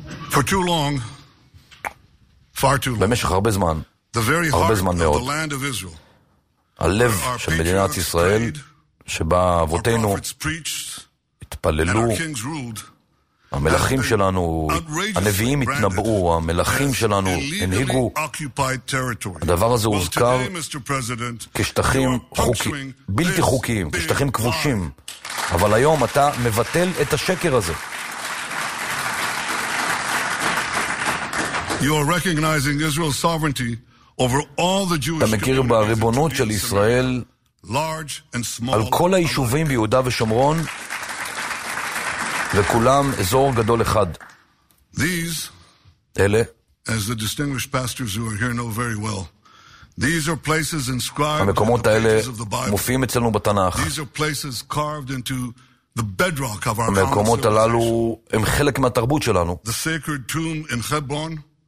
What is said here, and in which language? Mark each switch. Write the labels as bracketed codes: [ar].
[en] For too long, far too long. [he] במשך הרבה זמן, הרבה זמן מאוד, הלב של מדינת ישראל, שבה אבותינו התפללו, המלכים שלנו, הנביאים התנבאו, המלכים שלנו הנהיגו, הדבר הזה הוזכר כשטחים בלתי חוקיים, כשטחים כבושים, אבל היום אתה מבטל את השקר הזה. [en] You are recognizing Israel's sovereignty over all the Jewish communities. [he] אתה מכיר בריבונות של ישראל על כל היישובים ביהודה ושומרון, וכולם אזור גדול אחד. [en] These, [he] אלה, [en] as the distinguished pastors who are here know very well, these are places inscribed. [he] המקומות האלה מופיעים אצלנו בתנ"ך. [en] These are places carved into the bedrock of our culture. [he] המקומות הללו הם חלק מהתרבות שלנו. [en] The sacred tomb in Hebron,